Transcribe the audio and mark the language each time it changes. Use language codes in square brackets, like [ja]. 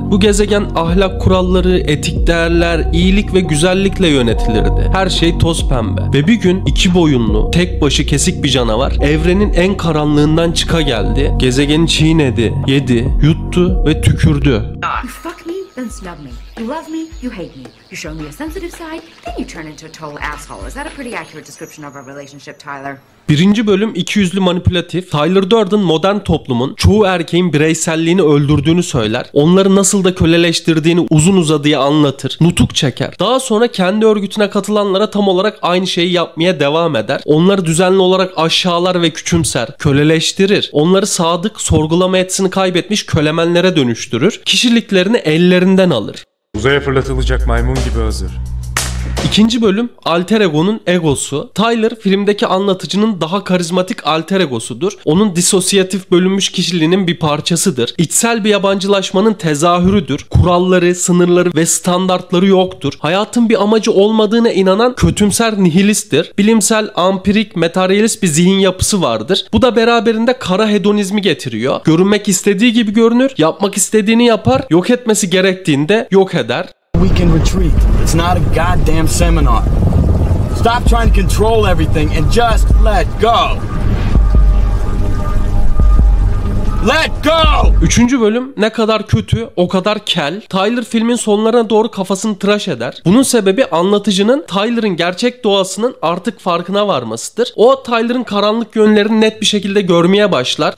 [tr] Bu gezegen ahlak kuralları, etik değerler, iyilik ve güzellikle yönetilirdi. Her şey toz pembe. Ve bir gün iki boyunlu, tek başı kesik bir canavar evrenin en karanlığından çıka geldi. Gezegeni çiğnedi, yedi, yuttu ve tükürdü. [en] Then snub me. You love me, you hate me. You show me a sensitive side, then you turn into a total asshole. Is that a pretty accurate description of our relationship, Tyler? [tr] Birinci bölüm ikiyüzlü manipülatif. Tyler Durden modern toplumun çoğu erkeğin bireyselliğini öldürdüğünü söyler. Onları nasıl da köleleştirdiğini uzun uzadıya anlatır. Nutuk çeker. Daha sonra kendi örgütüne katılanlara tam olarak aynı şeyi yapmaya devam eder. Onları düzenli olarak aşağılar ve küçümser. Köleleştirir. Onları sadık, sorgulama yetisini kaybetmiş kölemenlere dönüştürür. Kişiliklerini ellerinden alır. Uzaya fırlatılacak maymun gibi hazır. İkinci bölüm alter ego'nun egosu. Tyler filmdeki anlatıcının daha karizmatik alter egosudur. Onun disosiyatif bölünmüş kişiliğinin bir parçasıdır. İçsel bir yabancılaşmanın tezahürüdür. Kuralları, sınırları ve standartları yoktur. Hayatın bir amacı olmadığına inanan kötümser nihilisttir. Bilimsel, ampirik, materyalist bir zihin yapısı vardır. Bu da beraberinde kara hedonizmi getiriyor. Görünmek istediği gibi görünür, yapmak istediğini yapar, yok etmesi gerektiğinde yok eder. [en] We can retreat. It's not a goddamn seminar. Stop trying to control everything and just let go. Let go! [tr] Üçüncü bölüm ne kadar kötü, o kadar kel. Tyler filmin sonlarına doğru kafasını tıraş eder. Bunun sebebi anlatıcının Tyler'ın gerçek doğasının artık farkına varmasıdır. O Tyler'ın karanlık yönlerini net bir şekilde görmeye başlar.